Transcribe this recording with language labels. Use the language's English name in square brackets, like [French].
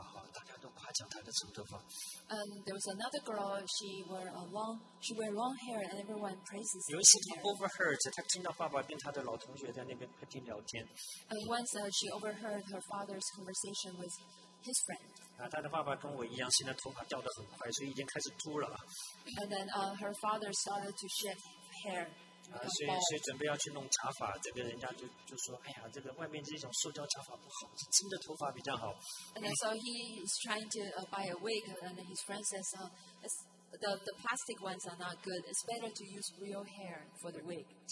[Chinese] 另外一个小女孩有一身留的很漂亮的长头发，哈，大家都夸奖她的长头发。 [English] And there was another girl. She wore long hair, and everyone praises her. [Chinese] 有一次她 overheard, 她听到爸爸跟她的老同学在那边客厅聊天。 [English] And once she overheard her father's conversation with his friend. [Chinese] 她的爸爸跟我一样，现在头发掉得很快，所以已经开始秃了。 [English] And then her father started to shave hair. [Chinese] 所以准备要去弄假发，这个人家就说，哎呀，这个外面这种塑胶假发不好，真的头发比较好。 [English] And then, so he is trying to buy a wig, and then his friend says, the plastic ones are not good. It's better to use real hair for the wig.